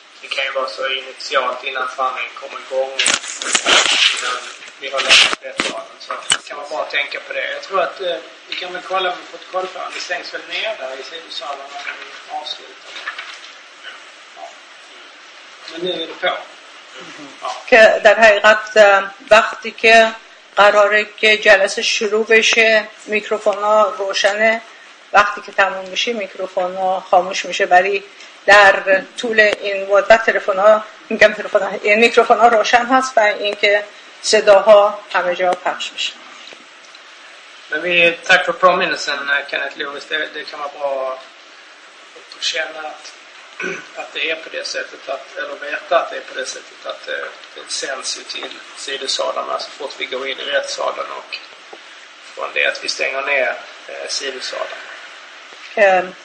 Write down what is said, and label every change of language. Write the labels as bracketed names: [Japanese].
[Swedish] kan ju vara så initialt innan träningen kommer igång. Innan vi har lärt det planen. Så kan man bara tänka på det. Jag tror att vi kan väl kolla på protokollföraren. Det stängs väl ner där i sidosalen när vi avslutar. Men nu är det på. [Persian] در حقیقت وقتی که قراره که جلسه شروع بشه میکروفون ها روشنه، وقتی که تموم بشه میکروفون ها خاموش میشه، ولی در طول این مدت تلفون ها میگم تلفون ها این میکروفون ها روشن هست و اینکه صداها همه جا پخش میشه. [Swedish] Men vi tack för påminnelsen Kenneth Lewis. Det kan vara bra att känna att det är på det sättet, att eller veta att det är på det sättet, att det sänds ju till sidosalarna så fort vi går in i rättssalen, och från det att vi stänger ner sidosalen.